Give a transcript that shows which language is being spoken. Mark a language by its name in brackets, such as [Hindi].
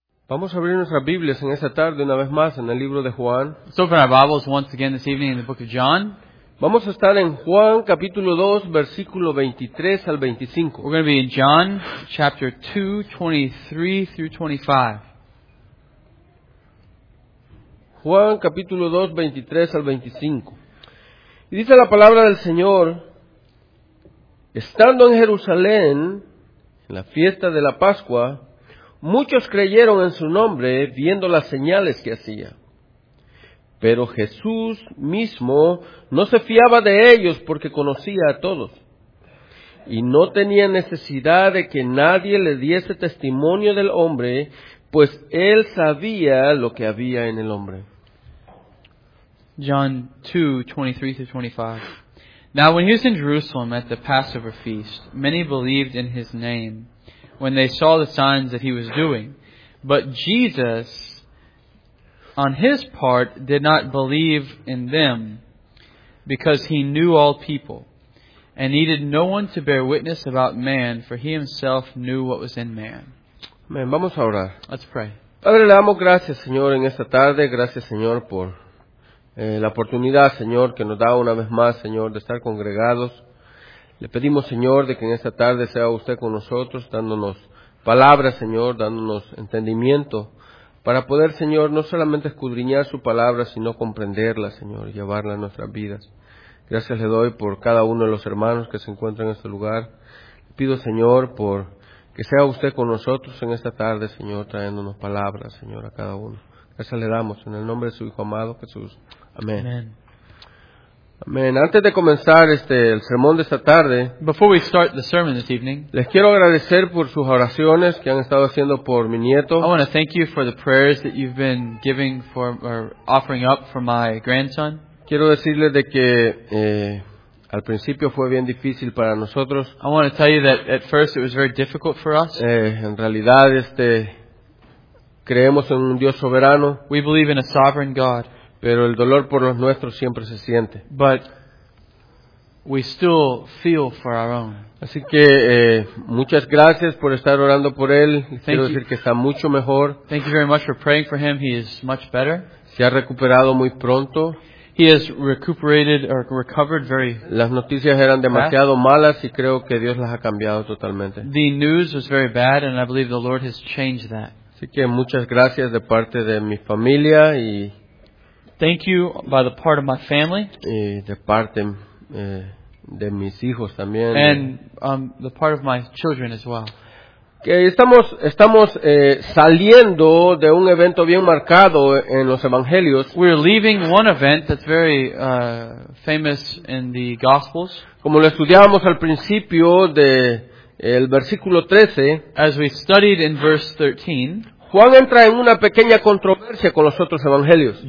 [Spanish] Vamos a abrir nuestras Biblias en esta tarde una vez más en el libro de Juan. [English] So open our Bibles once again this evening in the book of John. [Spanish] Vamos a estar en Juan capítulo 2 versículo 23 al 25. [English] We're going to be in John chapter 2, 23 through 25. [Spanish] Juan capítulo 2, 23 al 25. Y dice la palabra del Señor, estando en Jerusalén, en la fiesta de la Pascua, muchos creyeron en su nombre, viendo las señales que hacía. Pero Jesús mismo no se fiaba de ellos porque conocía a todos. Y no tenía necesidad de que nadie le diese testimonio del hombre, pues él sabía lo que había en el hombre. [English] John 2:23-25. Now when he was in Jerusalem at the Passover feast, many believed in his name when they saw the signs that he was doing. But Jesus, on his part, did not believe in them, because he knew all people, and needed no one to bear witness about man, for he himself knew what was in man. [Spanish] Amen. Vamos a orar. [English] Let's pray. [Spanish] Padre, le damos gracias, Señor, en esta tarde. Gracias, Señor, por la oportunidad, Señor, que nos da una vez más, Señor, de estar congregados. Le pedimos, Señor, de que en esta tarde sea usted con nosotros, dándonos palabras, Señor, dándonos entendimiento, para poder, Señor, no solamente escudriñar su palabra, sino comprenderla, Señor, y llevarla a nuestras vidas. Gracias le doy por cada uno de los hermanos que se encuentran en este lugar. Le pido, Señor, por que sea usted con nosotros en esta tarde, Señor, trayéndonos palabras, Señor, a cada uno. Gracias le damos en el nombre de su Hijo amado, Jesús. Amén. Amén. Amén. Antes de comenzar el sermón de esta tarde, [English] before we start the sermon this evening, [Spanish] les quiero agradecer por sus oraciones que han estado haciendo por mi nieto. [English] I want to thank you for the prayers that you've been giving for or offering up for my grandson. [Spanish] Quiero decirles de que al principio fue bien difícil para nosotros. [English] I want to tell you that at first it was very difficult for us. [Spanish] En realidad creemos en un Dios soberano. [English] We believe in a sovereign God. [Spanish] Pero el dolor por los nuestros siempre se siente. [English] But we still feel for our own. [Spanish] Así que muchas gracias por estar orando por él. Quiero decir que está mucho mejor. [English] Thank you very much for praying for him. He is much better. [Spanish] Se ha recuperado muy pronto. [English] He has recuperated or recovered very fast. [Spanish] Las noticias eran demasiado malas y creo que Dios las ha cambiado totalmente. [English] The news was very bad and I believe the Lord has changed that. [Spanish] Así que muchas gracias de parte de mi familia y [English] thank you by the part of my family. [Spanish] Y de parte de mis hijos también. [English] And the part of my children as well. [Spanish] Que estamos saliendo de un evento bien marcado en los evangelios. [English] We're leaving one event that's very famous in the gospels. [Spanish] Como lo estudiábamos al principio de el versículo 13. [English] As we studied in verse 13. [Spanish] Juan entra en una pequeña controversia con los otros evangelios.